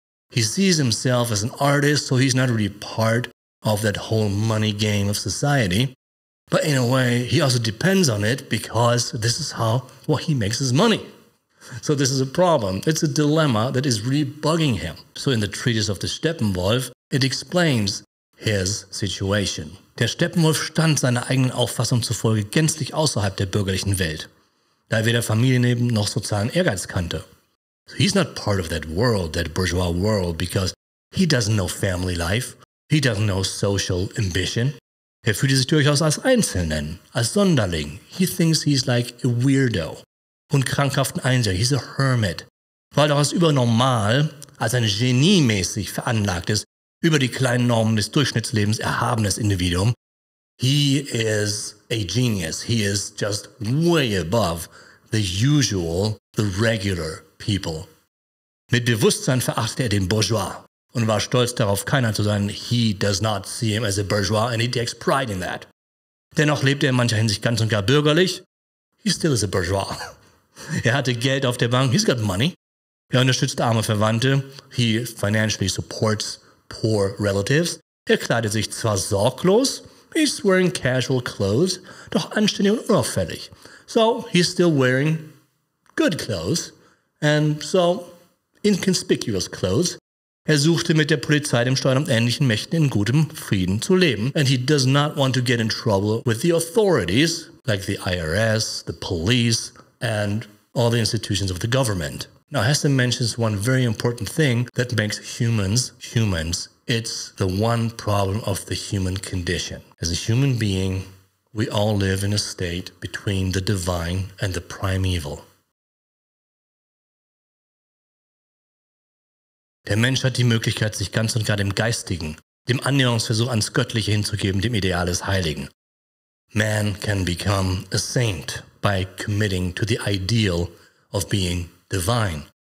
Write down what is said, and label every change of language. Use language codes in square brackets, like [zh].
[en] He sees himself as an artist, so he's not really part of that whole money game of society. But in a way, he also depends on it because this is how what he makes his money. So this is a problem. It's a dilemma that is really bugging him. So in the Treatise of the Steppenwolf, it explains his situation. [de] Der Steppenwolf stand seiner eigenen Auffassung zufolge gänzlich außerhalb der bürgerlichen Welt, da er weder Familienleben noch sozialen Ehrgeiz kannte. [en] So he's not part of that world, that bourgeois world, because he doesn't know family life. He doesn't know social ambition. [de] Er fühlte sich durchaus als Einzelnen, als Sonderling. [en] He thinks he's like a weirdo. [de] Und krankhaften Einser, [en] he's a hermit, [de] weil er als übernormal, als ein geniemäßig veranlagtes, über die kleinen Normen des Durchschnittslebens erhabenes Individuum, [en] he is a genius, he is just way above the usual, the regular people. [de] Mit Bewusstsein verachtete er den Bourgeois und war stolz darauf, keiner zu sein, [en] he does not see him as a bourgeois and he takes pride in that. [de] Dennoch lebte er in mancher Hinsicht ganz und gar bürgerlich, [en] he still is a bourgeois. [de] Er hatte Geld auf der Bank, [en] he's got money. [de] Er unterstützt arme Verwandte, [en] he financially supports poor relatives. [de] Er kleidet sich zwar sorglos, [en] he's wearing casual clothes, [de] doch anständig und unauffällig. [en] So, he's still wearing good clothes and so inconspicuous clothes. [de] Er suchte mit der Polizei, dem Steueramt, ähnlichen Mächten in gutem Frieden zu leben. [en] And he does not want to get in trouble with the authorities, like the IRS, the police, and all the institutions of the government. Now, Heston mentions one very important thing that makes humans humans. It's the one problem of the human condition. As a human being, we all live in a state between the divine and the primeval. [de] Der Mensch hat die Möglichkeit, sich ganz und gar dem Geistigen, dem Annäherungsversuch ans Göttliche hinzugeben, dem Ideal des Heiligen. [en] Man can become a saint by committing to the ideal of being divine.